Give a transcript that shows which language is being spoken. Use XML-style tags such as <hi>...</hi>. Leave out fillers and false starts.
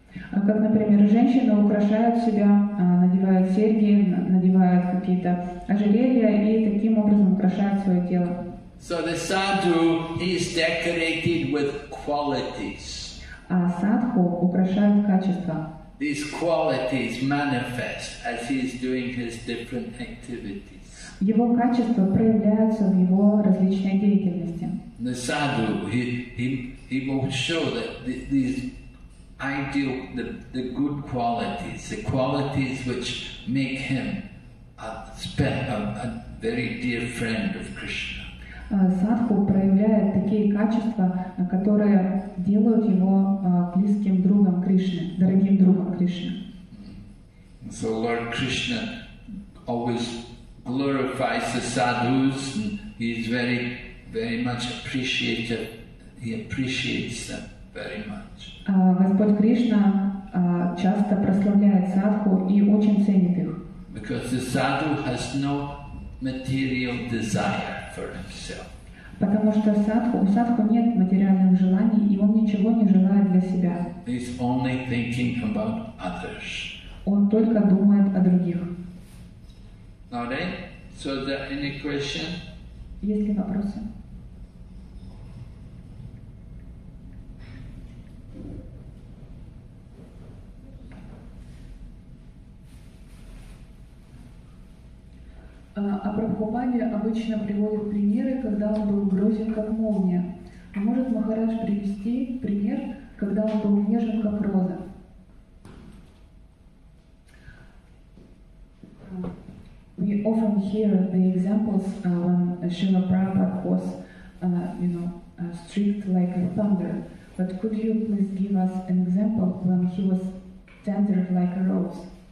<ru>Как, например, женщины украшают себя, надевают серьги, надевают какие-то ожерелья и таким образом украшают свое тело.</ru> <en>So the sadhu is decorated with qualities.</en> <ru>А садху украшают качества.</ru> <en>These qualities manifest as he is doing his different activities.</en> <ru>Его качества проявляются в его различной деятельности.</ru> <en>The sadhu, he will show that these ideal, the good qualities, the qualities which make him a very dear friend of Krishna.</en> <ru>Садху проявляет такие качества, которые делают его близким другом Кришны, дорогим другом Кришны.</ru> <en>So Lord Krishna always glorifies the sadhus, and he is very, very much appreciated. He appreciates them very much.</en> <ru>Господь Кришна часто прославляет садху и очень ценит их.</ru> <en>Because the sadhu has no material desire for himself.</en> <ru>Потому что садху, у садху нет материальных желаний, и он ничего не желает для себя.</ru> <en>He's only thinking about others.</en> <ru>Он только думает о других.</ru> <en>Okay. So is there any question?</en> <ru>Есть ли вопросы? А Прабхупаде обычно приводит примеры, когда он был грозен, как молния. А может Махарадж привести пример, когда он был нежен, как роза?</ru> <en>We often hear the examples when Srila Prabhupada was, you know, strict like a thunder. But could you please give us an example when he was tender like a rose?</en>